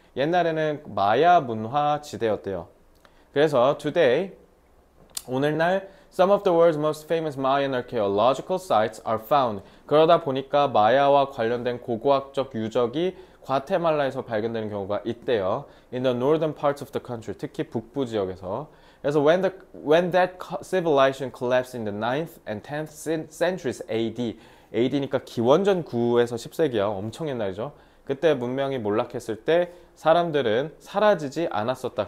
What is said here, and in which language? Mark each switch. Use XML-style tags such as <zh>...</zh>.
<ko>옛날에는 마야 문화 지대였대요.</ko> <en>그래서 today, 오늘날 some of the world's most famous Mayan archaeological sites are found.</en> <ko>그러다 보니까 마야와 관련된 고고학적 유적이 과테말라에서 발견되는 경우가 있대요.</ko> <en>In the northern parts of the country,</en> <ko>특히 북부 지역에서.</ko> <en>그래서 when that civilization collapsed in the 9th and 10th centuries AD.</en> <ko>AD니까 기원전 9에서 10세기야. 엄청 옛날이죠. 그때 문명이 몰락했을 때 사람들은 사라지지 않았었다.</ko>